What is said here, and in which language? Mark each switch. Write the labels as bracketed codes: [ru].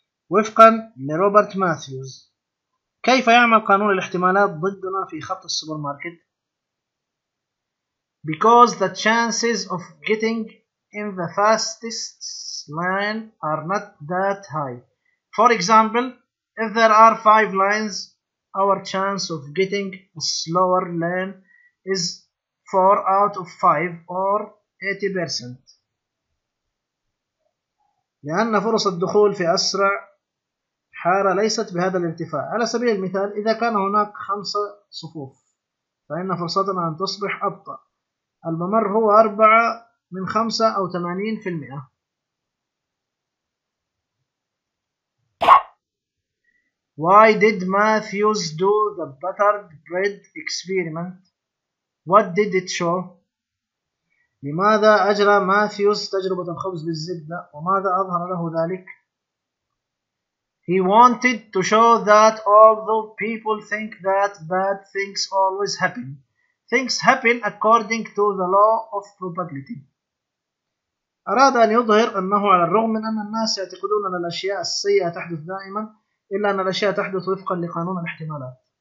[ar] وفقا لروبرت ماثيوز, كيف يعمل قانون الاحتمالات ضدنا في خط السوبر ماركت؟ [en] Because the chances of getting in the fastest line are not that high. For example, if there are 5 lines, our chance of getting a slower lane is 4 out of 5 or 80%. [ar] لأن فرص الدخول في أسرع حارة ليست بهذا الارتفاع. على سبيل المثال, إذا كان هناك 5 صفوف فإن فرصتنا أن تصبح أبطأ. الممر هو 4 من 5 أو 80%. [en] Why did Matthews do the buttered bread experiment? What did it show? [ar] لماذا أجرى ماثيوس تجربة الخبز بالزبدة وماذا أظهر له ذلك؟ [en] He wanted to show that although people think that bad things always happen, things happen according to the law of probability. [ar] أراد أن يظهر أنه على الرغم من أن الناس يعتقدون أن الأشياء السيئة تحدث دائما إلا أن الأشياء تحدث وفقا لقانون الاحتمالات.